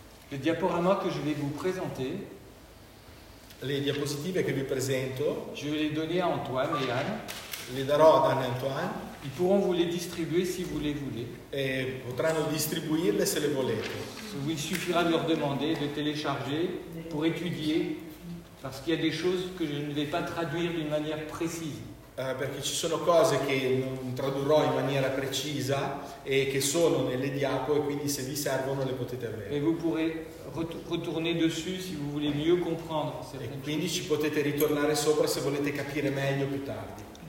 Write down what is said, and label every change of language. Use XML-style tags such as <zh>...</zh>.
<fr>Le diaporama que je vais vous présenter,</fr> <it>le diapositive che vi presento,</it> <fr>je vais les donner à Antoine et Anne.</fr> <it>Le darò ad Anne e Antoine.</it> <fr>Ils pourront vous les distribuer si vous les voulez.</fr> <it>Et potranno distribuirle se le volete.</it> <fr>Il suffira de leur demander de télécharger pour étudier, parce qu'il y a des choses que je ne vais pas traduire d'une manière précise.</fr> <it>Perché ci sono cose che non tradurrò in maniera precisa e che sono nelle diapo, e quindi se vi servono le potete avere.</it> <fr>Mais vous pourrez retourner dessus si vous voulez mieux comprendre.</fr> <it>E quindi ci potete ritornare sopra se volete capire meglio più tardi.</it>